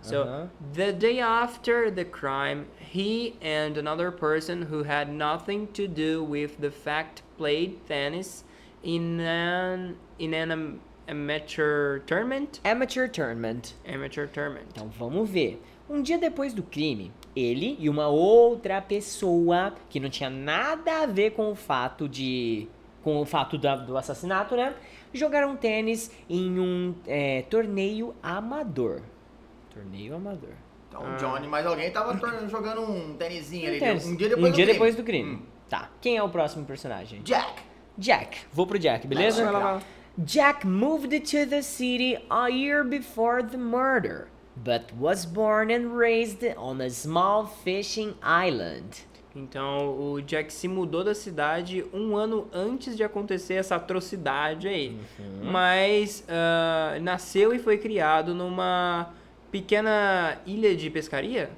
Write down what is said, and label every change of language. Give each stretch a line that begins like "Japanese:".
English: So, the day after the crime, he and another person who had nothing to do with the fact played tennis in an amateur tournament. Amateur tournament.
Portuguese: Então, vamos ver. Um dia depois do crime, ele e uma outra pessoa que não tinha nada a ver com o fato de... com o fato do assassinato, né? Jogaram tênis em um torneio amador. Torneio amador. Então, Johnny, mas alguém tava jogando um tênisinho ali. Tênis. Um dia depois do crime. Tá. Quem é o próximo personagem? Jack. Vou pro Jack, beleza? Vai lá.
English: Jack moved to the city a year before the murder, but was born and raised on a small fishing island.
Portuguese: Então, o Jack se mudou da cidade um ano antes de acontecer essa atrocidade aí. Uhum. Mas nasceu e foi criado numa pequena ilha de pescaria?